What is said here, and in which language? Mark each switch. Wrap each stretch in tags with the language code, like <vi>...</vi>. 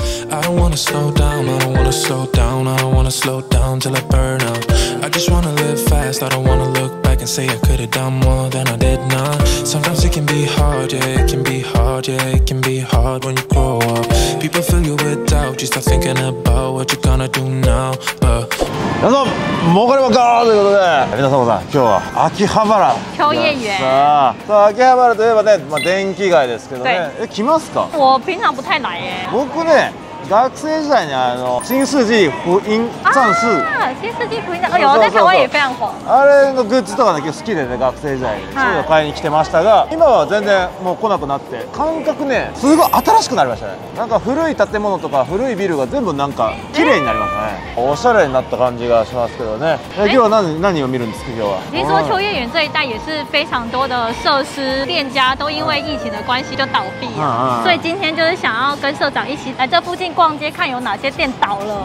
<en>I don't wanna slow down, I don't wanna slow down, I don't wanna slow down till I burn out. I just wanna live fast, I don't wanna look back and say I could've done more than I did not. Sometimes it can be hard, yeah, it can be hard, yeah, it can be hard when you grow up. People fill you with doubt, you start thinking about what you're gonna do now, but.</en> <ja>皆さん、儲かりまっかーということで、皆様さん、今日は秋葉原。秋葉原。さあ、秋葉原といえばね、まあ、電気街ですけどね。え、来ますか？</ja> <zh>我平常不太来</zh> <ja>耶。僕ね、学生時代に新世紀福音战士。</ja> <zh>新世紀福音战士。有、在台湾也非常火。</zh> <ja>あれのグッズとかね、結構好きでね、学生時代に。そういうの買いに来てましたが、今は全然もう来なくなって、感覚ね、すごい新しくなりましたね。なんか古い建物とか古いビルが全部なんか綺麗になりましたね。おしゃれになった感じがしますけどね。今日は 何を見るんですか今日は。</ja> <zh>听说秋葉原这一带也是非常多的设施店家都因为疫情的关系就倒闭了。所以今天就是想要跟社长一起来这附近逛街，看有哪些店倒了。</zh>